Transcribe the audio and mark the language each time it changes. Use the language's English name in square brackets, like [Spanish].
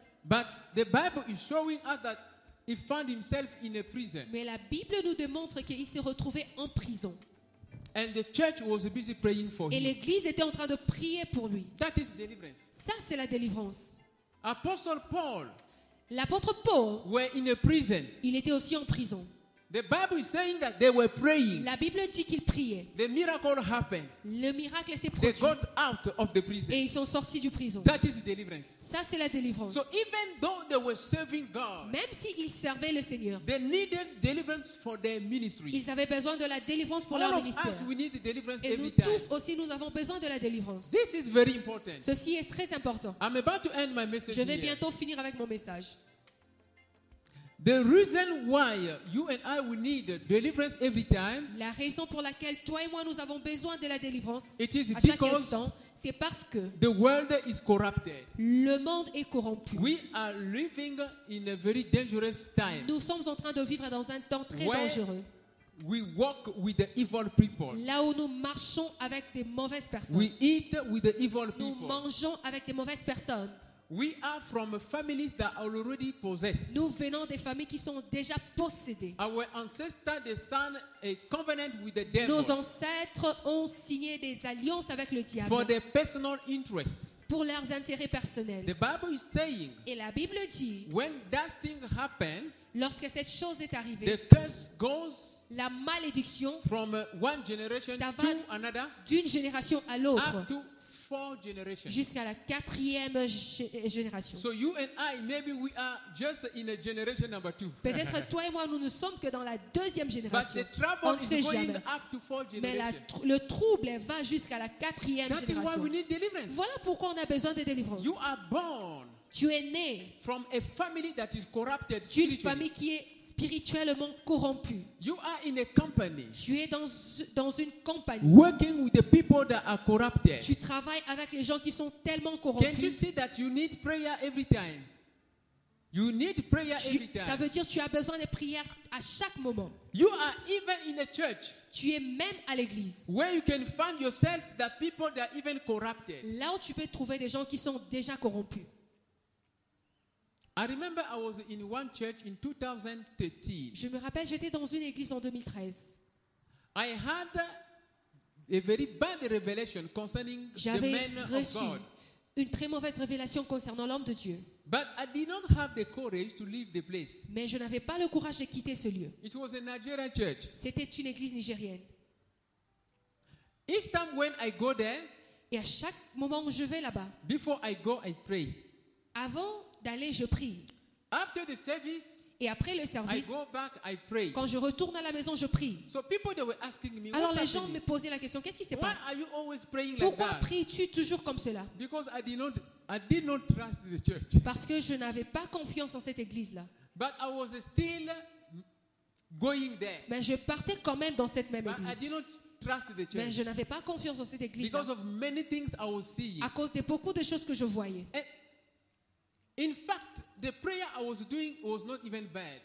[English] But the Bible is showing us that he found himself in a prison. [French] Mais la Bible nous démontre qu'il s'est retrouvé en prison. [English] And the church was busy praying for [French] et [English] him. [French] Et l'église était en train de prier pour lui. [English] That is deliverance. [French] Ça c'est la délivrance. [English] Apostle Paul. [French] L'apôtre Paul. [English] Were in a prison. [French] Il était aussi en prison. [English] The Bible is saying that they were praying. [French] La Bible dit qu'ils priaient. [English] The miracle happened. [French] Le miracle s'est produit. [English] They got out of the prison. [French] Et ils sont sortis du prison. [English] That is deliverance. [French] Ça c'est la délivrance. [English] So even though they were serving God, [French] même si ils servaient le Seigneur, [English] they needed deliverance for their ministry. [French] Ils avaient besoin de la délivrance pour [English] All [French] leur ministère. [English] Us, we need the deliverance [French] et [English] every [French] nous [English] time. [French] Tous aussi nous avons besoin de la délivrance. [English] This is very important. [French] Ceci est très important. [English] I'm about to end my message [French] Je vais [English] here. [French] Bientôt finir avec mon message. [English] The reason why you and I we need deliverance every time. [French] La raison pour laquelle toi et moi nous avons besoin de la délivrance. [English] It is [French] à chaque instant, c'est parce que [English] the world is corrupted. [French] Le monde est corrompu. [English] We are living in a very dangerous time. [French] Nous sommes en train de vivre dans un temps très dangereux. [English] We walk with the evil people. [French] Là où nous marchons avec des mauvaises personnes. [English] We eat with the evil people. [French] Nous mangeons avec des mauvaises personnes. [English] We are from families that are already possessed. [French] Nous venons des familles qui sont déjà possédées. [English] Our ancestors they signed a covenant with the devil. [French] Nos ancêtres ont signé des alliances avec le diable. [English] For their personal interests. [French] Pour leurs intérêts personnels. [English] The Bible is saying. [French] Et la Bible dit. [English] When that thing happened. [French] Lorsque cette chose est arrivée. [English] The curse goes. [French] la malédiction [English] from one generation [French] ça va [English] to another, [French] d'une génération à l'autre [English] up to four generations. [French] Jusqu'à la quatrième génération. [English] So you and I, maybe we are just in a generation number two. [French] Peut-être toi et moi, nous ne sommes que dans la deuxième génération. [English] But the trouble [French] on ne sait jamais. [English] Going up to four generations. [French] Mais le trouble va jusqu'à la quatrième [English] That [French] génération. [English] Is why we need deliverance. [French] Voilà pourquoi on a besoin de délivrance. [English] You are born [French] tu es né [English] from a family that is corrupted [French] d'une famille qui est spirituellement corrompue. [English] You are in a company [French] tu es dans une compagnie. [English] Working with the people that are corrupted. [French] Tu travailles avec les gens qui sont tellement corrompus. [English] Can you see that you need prayer every time? You need prayer every time. [French] Ça veut dire tu as besoin de prières à chaque moment. [English] You are even in a church. [French] Tu es même à l'église. [English] Where you can find yourself that people that are even corrupted. [French] Là où tu peux trouver des gens qui sont déjà corrompus. [English] I remember I was in one church in 2013. [French] Je me rappelle, j'étais dans une église en 2013. [English] I had a very bad revelation concerning [French] J'avais [English] the man [French] reçu [English] of God. [French] Une très mauvaise révélation concernant l'homme de Dieu. [English] But I did not have the courage to leave the place. [French] Mais je n'avais pas le courage de quitter ce lieu. [English] It was a Nigerian church. [French] C'était une église nigérienne. [English] Each time when I go there, [French] et à chaque moment où je vais là-bas, [English] before I go, I pray. [French] Avant d'aller, je prie. [English] After the service, [French] et après le service, [English] I go back, I pray. [French] Quand je retourne à la maison, je prie. [English] So people, they were asking me, [French] alors les gens me posaient la question, qu'est-ce qui se passe? [English] Why are you always praying [French] pourquoi [English] like that? [French] Pries-tu toujours comme cela? [English] Because I did not trust the church. [French] Parce que je n'avais pas confiance en cette église-là. [English] But I was still going there. [French] Mais je partais quand même dans cette même [English] But [French] église. [English] I did not trust the church. [French] Mais je n'avais pas confiance en cette église-là. [English] Because of many things I was seeing. [French] À cause de beaucoup de choses que je voyais. [English] And in fact, the prayer I was doing was not even bad.